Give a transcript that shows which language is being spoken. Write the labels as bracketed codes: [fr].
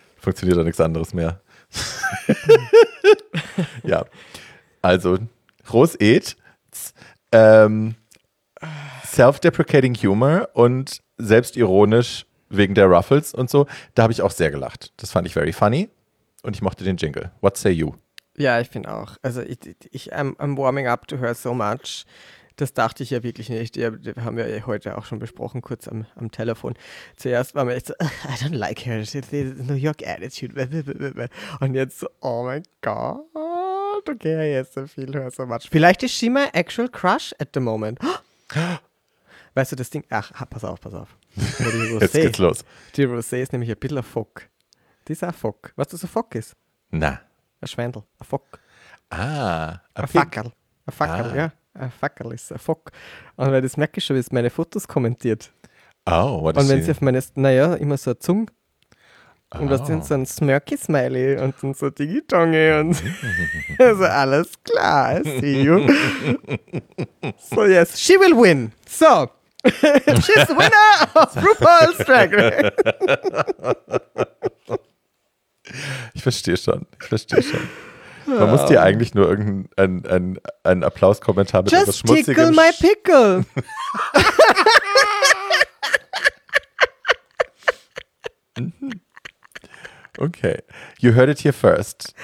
[de] Funktioniert doch nichts anderes mehr. Ja. Also, Groß Ed, self-deprecating humor und selbstironisch wegen der Ruffles und so. Da habe ich auch sehr gelacht. Das fand ich very funny und ich mochte den Jingle. [en] What say you? [de] Ja, ich finde auch. [en] Also, I'm warming up to her so much. [de] Das dachte ich ja wirklich nicht. Wir haben ja heute auch schon besprochen, kurz am Telefon. Zuerst war mir echt so, I don't like her. [en] It's the New York attitude. [de] Und jetzt so, oh mein Gott. [en] Okay, I hate feel her so much. [de] Vielleicht ist she my actual crush at the moment. Weißt du, das Ding, ach, pass auf. Die Rosé, jetzt geht's los. Die Rosé ist nämlich ein bisschen ein Fock. Die ist ein Fock. Weißt du, was ein Fock ist? Na. Ein Schwendel, ein Fock. Ah. Ein Fackerl. Ein Fackerl, ja. Ein Fackerl ist ein Fock. Und weil das merke ich schon, wie es meine Fotos kommentiert. Oh, was ist das? Und wenn sie auf meine, immer so eine Zunge. Und was sind so ein Smirky-Smiley und dann so Digitonge und so, alles klar, I see you. [en] So, yes, she will win. So, she's the winner of RuPaul's Drag Race. [de] Ich verstehe schon. Man muss dir eigentlich nur irgendeinen ein Applaus-Kommentar mit etwas Schmutziges. [en] Just tickle my pickle. Okay. You heard it here first.